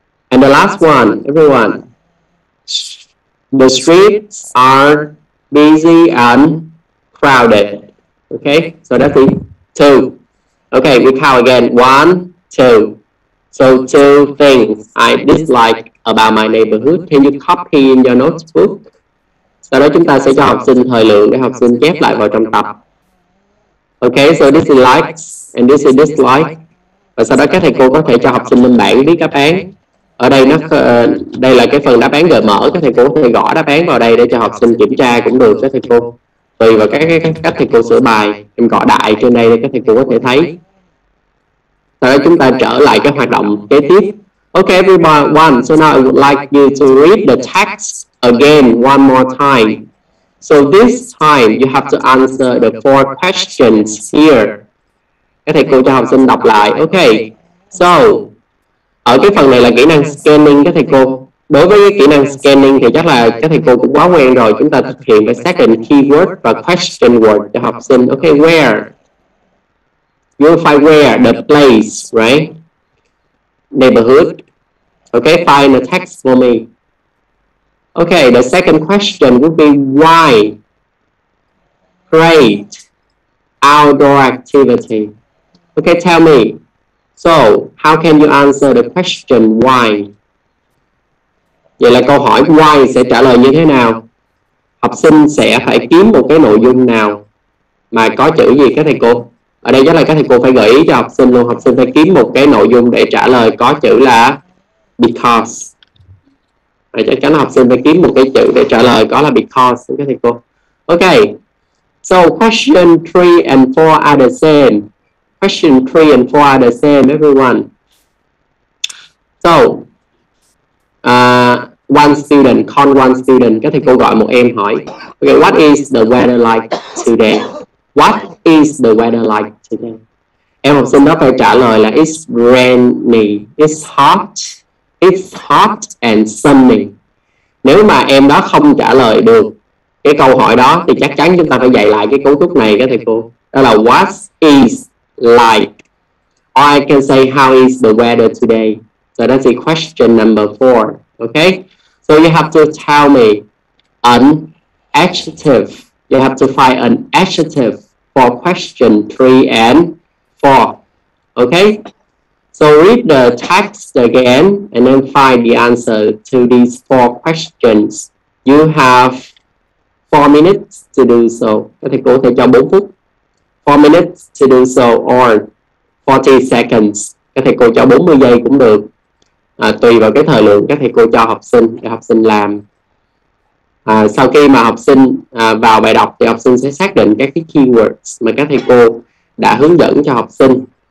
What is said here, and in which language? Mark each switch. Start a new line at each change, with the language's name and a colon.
English: And the last one, everyone. The streets are busy and crowded, okay? So that's it. Two. Okay, we count again. One, two. So two things I dislike about my neighborhood. Can you copy in your notebook?
Vietnamese: Sau đó chúng ta sẽ cho học sinh thời lượng để học sinh chép lại vào trong tập.
English: Okay, so this is like and this is dislike.
Vietnamese: Và sau đó các thầy cô có thể cho học sinh lên bảng viết đáp án. Ở đây nó đây là cái phần đáp án gợi mở, các thầy cô có thể gõ đáp án vào đây để cho học sinh kiểm tra cũng được các thầy cô. Tùy vào các cách thầy cô sửa bài, em gõ đại trên đây để các thầy cô có thể thấy. Sau đó chúng ta trở lại cái hoạt động kế tiếp.
English: Okay, everyone, so now I would like you to read the text again one more time. So this time you have to answer the four questions here.
Vietnamese: Các thầy cô cho học sinh đọc lại. Okay. So ở cái phần này là kỹ năng scanning các thầy cô. Đối với kỹ năng scanning thì chắc là các thầy cô cũng quá quen rồi. Chúng ta thực hiện với second keyword và question word cho học sinh.
English: Okay, where? You find where the place, right? Neighborhood. Okay, find the text for me. Okay, the second question would be why? Great outdoor activity. Okay, tell me. So, how can you answer the question why?
Vietnamese: Vậy là câu hỏi why sẽ trả lời như thế nào? Học sinh sẽ phải kiếm một cái nội dung nào mà có chữ gì các thầy cô? Ở đây chắc là các thầy cô phải gợi ý cho học sinh luôn. Học sinh phải kiếm một cái nội dung để trả lời có chữ là because. Và chắc chắn học sinh phải kiếm một cái chữ để trả lời có là because các thầy cô.
English: Okay. So, question 3 and 4 are the same. Question 3 and 4 are the same, everyone. So, one student, call one student.
Vietnamese: Các thầy cô gọi một em hỏi.
English: Okay, what is the weather like today? What is the weather like today?
Vietnamese: Em học sinh đó phải trả lời là
English: it's rainy, it's hot, it's hot and sunny.
Vietnamese: Nếu mà em đó không trả lời được cái câu hỏi đó thì chắc chắn chúng ta phải dạy lại cái cấu trúc này các thầy cô. Đó là
English: what is like. Or I can say how is the weather today? So that's the question number 4. Okay? So you have to tell me an adjective. You have to find an adjective for question 3 and 4. Okay? So read the text again and then find the answer to these four questions. You have 4 minutes to do so.
Vietnamese: Các thầy cô có thể cho 4 phút.
English: 4 minutes to do so or 40 seconds.
Vietnamese: Các thầy cô cho 40 giây cũng được. À, tùy vào cái thời lượng các thầy cô cho học sinh để học sinh làm. À, sau khi mà học sinh vào bài đọc thì học sinh sẽ xác định các cái keywords mà các thầy cô đã hướng dẫn cho học sinh.